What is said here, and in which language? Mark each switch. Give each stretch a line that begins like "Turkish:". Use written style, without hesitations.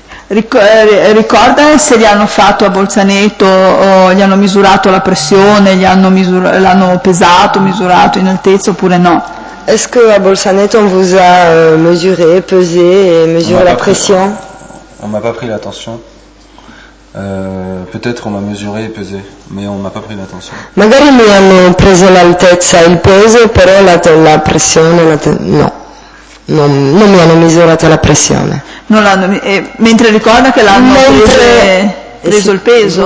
Italian: Ricorda se gli hanno fatto a Bolzaneto, o gli hanno misurato la pressione, l'hanno pesato, misurato in altezza oppure no?
French: Est-ce que à Bolzaneto on vous a mesuré, pesé et mesuré la pression? On m'a pas pris l'attention. Peut-être on m'a mesuré et pesé, mais on m'a pas pris l'attention.
Italian: Magari mi hanno preso l'altezza e il peso, però la pressione non mi hanno misurato la pressione. Non l'hanno, mentre ricorda che l'hanno preso il peso.